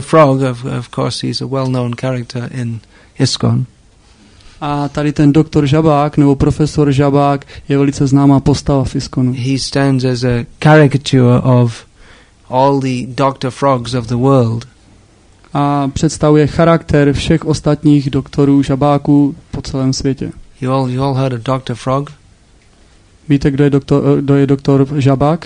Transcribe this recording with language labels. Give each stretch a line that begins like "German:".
English: Frog, of course, he's a well-known character in ISKCON.
Czech: A tady ten doktor Žabák, nebo profesor Žabák, je velice známá postava v ISKCONu.
English: He stands as a caricature of all the Dr. Frogs of the world.
Czech: A představuje charakter všech ostatních doktorů Žabáků po celém světě.
English: You all heard of Dr. Frog?
Czech: Víte, kdo je doktor Žabák?